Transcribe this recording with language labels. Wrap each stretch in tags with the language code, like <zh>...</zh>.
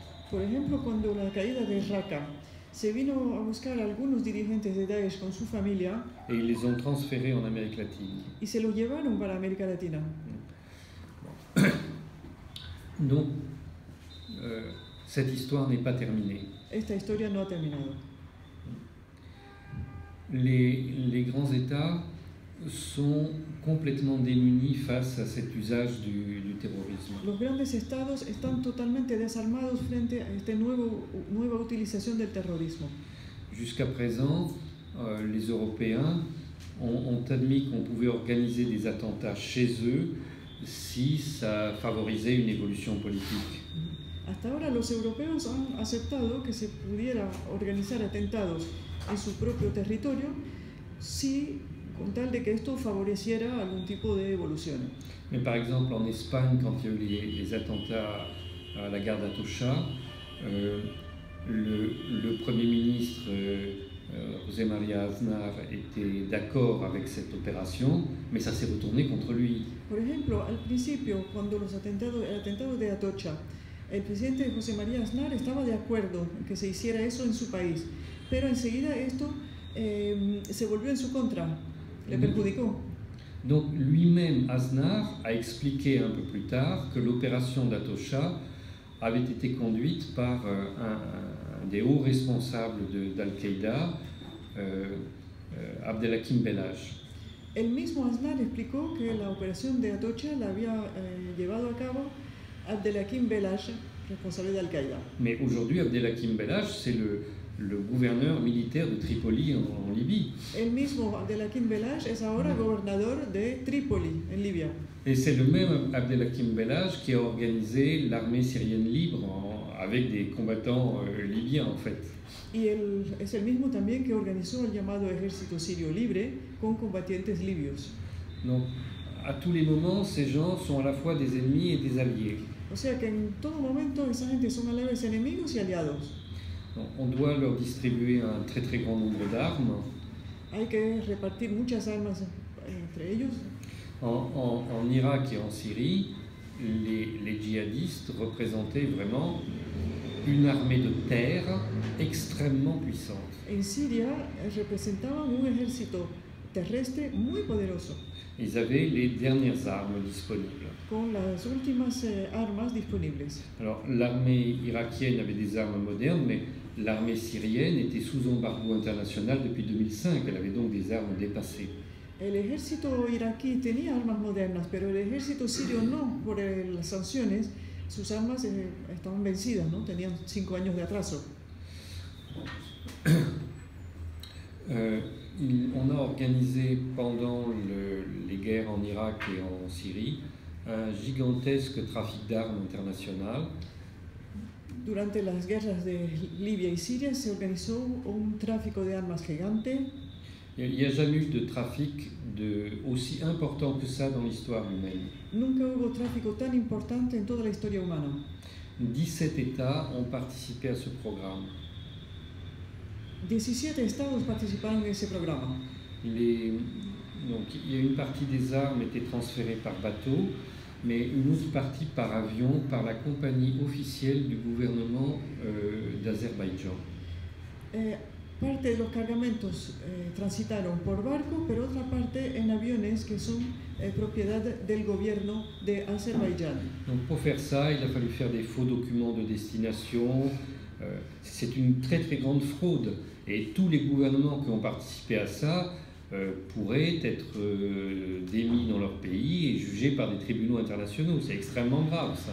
<es>Por ejemplo, cuando la caída de Raqqa se vino a buscar algunos dirigentes de Daesh con su familia.</es> <fr>Et ils les ont transférés en Amérique latine.</fr> <es>Y se los llevaron para América Latina.</es> <fr>Donc, cette histoire n'est pas terminée.</fr> <es>Esta historia no ha terminado.</es> <fr>Les grands États sont complètement démunis face à cet usage du terrorisme.</fr> <es>Los grandes estados están totalmente desarmados frente a esta nueva utilización del terrorismo.</es> <fr>Jusqu'à présent, les Européens ont admis qu'on pouvait organiser des attentats chez eux si ça favorisait une évolution politique.</fr> <es>Hasta ahora los europeos han aceptado que se pudiera organizar atentados en su propio territorio si con tal de que esto favoreciera algún tipo de evolución.</es> <fr>Mais par exemple en Espagne, quand il y a eu les attentats à la gare d'Atocha, le premier ministre José María Aznar était d'accord avec cette opération, mais ça s'est retourné contre lui.</fr> <es>Por ejemplo, al principio, cuando el atentado de Atocha, el presidente José María Aznar estaba de acuerdo que se hiciera eso en su país, pero enseguida esto se volvió en su contra.</es> <fr>Donc lui-même, Aznar, a expliqué un peu plus tard que l'opération d'Atocha avait été conduite par un des hauts responsables d'Al-Qaïda, Abdelhakim Belhaj.</fr> <es>El mismo Aznar explicó que la operación de Atocha la había llevado a cabo Abdelhakim Belhadj, responsable d'Al-Qaïda.</es> <fr>Mais aujourd'hui, Abdelhakim Belhadj, c'est le gouverneur militaire de Tripoli en Libye.</fr> <es>El mismo Abdelhakim Belhadj es ahora gobernador de Tripoli, en Libia.</es> <fr>Et c'est le même Abdelhakim Belhadj qui a organisé l'armée syrienne libre avec des combattants libyens, en fait.</fr> <es>Y él es el mismo también que organizó el llamado ejército sirio libre con combatientes libios.</es> <fr>Donc, à tous les moments, ces gens sont à la fois des ennemis et des alliés.</fr> <es>O sea que en todo momento esa gente son a la vez enemigos y aliados.</es> <fr>Donc, on doit leur distribuer un très très grand nombre d'armes.</fr> <es>Hay que repartir muchas armas entre ellos.</es> <fr>En Irak et en Syrie, les djihadistes représentaient vraiment une armée de terre extrêmement puissante. En Syrie, ils représentaient un</fr> <es>ejército terrestre muy poderoso.</es> <fr>Ils avaient les dernières armes disponibles.</fr> <es>Con las últimas armas disponibles.</es> <fr>Alors, l'armée irakienne avait des armes modernes, mais l'armée syrienne était sous embargo international depuis 2005. Elle avait donc des armes dépassées.</fr> <es>El ejército iraquí tenía armas modernas, pero el ejército sirio no, por las sanciones. Sus armas estaban vencidas, ¿no? Tenían 5 años de atraso.</es> <fr>On a organisé pendant les guerres en Irak et en Syrie un gigantesque trafic d'armes international.</fr> <es>Durante las guerras de Libia y Siria se organizó un tráfico de armas gigante.</es> <fr>Il n'y a jamais eu de trafic aussi important que ça dans l'histoire humaine.</fr> <es>Nunca hubo tráfico tan importante en toda la historia humana.</es> <fr>17 États ont participé à ce programme.</fr> <es>17 estados participaron en ese programa.</es> <fr>Donc il y a une partie des armes était transférée par bateau, mais une autre partie par avion par la compagnie officielle du gouvernement d'Azerbaïdjan.</fr> <es>Parte de los cargamentos transitaron por barco, pero otra parte en aviones que son propiedad del gobierno de Azerbaiyán.</es> <fr>Donc pour faire ça, il a fallu faire des faux documents de destination. C'est une très très grande fraude et tous les gouvernements qui ont participé à ça pourraient être démis dans leur pays et jugés par des tribunaux internationaux. C'est extrêmement grave ça.</fr>